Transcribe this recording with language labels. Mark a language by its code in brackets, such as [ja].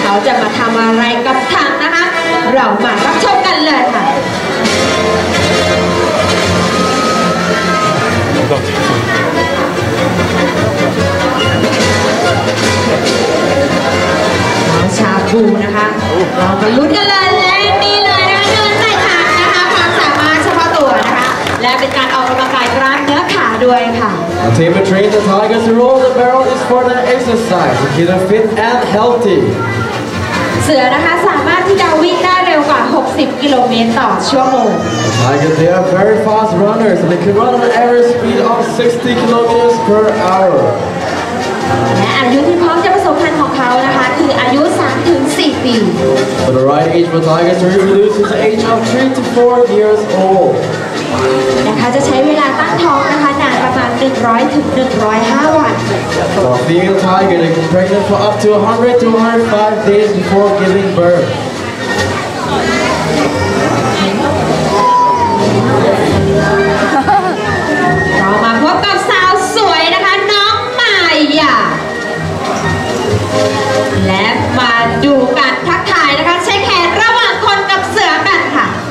[th] จะมาทำอะไรกับถังนะคะเรามารับชมกันเลยค่ะน้องชาบูนะคะเรามาลุ้นกันเลยและนี่เลยนะเดินใต้ถังนะคะความสามารถเฉพาะตัวนะคะและเป็นการออกกำลังกายกล้ามเนื้อขาด้วยค่ะ [en] A team that trains the tigers to roll the barrel is for their exercise to keep them fit and healthy. [th] เสือนะคะสามารถที่จะวิ่งได้เร็วกว่า60กิโลเมตรต่อชั่วโมง [en] Tigers they are very fast runners and they can run at an average speed of 60 kilometers per hour. [th] และอายุที่พร้อมจะประสบพันธ์ของเขานะคะคืออายุ 3-4 ปี [en] But the right age for tigers to reproduce is the age of 3-4 years old. [th] นะคะจะใช้เวลาตั้งท้องนะคะนานประมาณ100ถึง105วัน ต่อ [en] female tiger they can pregnant for up to 100 to 105 days before giving birth [th] เรามาพบกับสาวสวยนะคะน้องมายาและมาดูกันทักทายนะคะใช้แขนระหว่างคนกับเสือกันค่ะ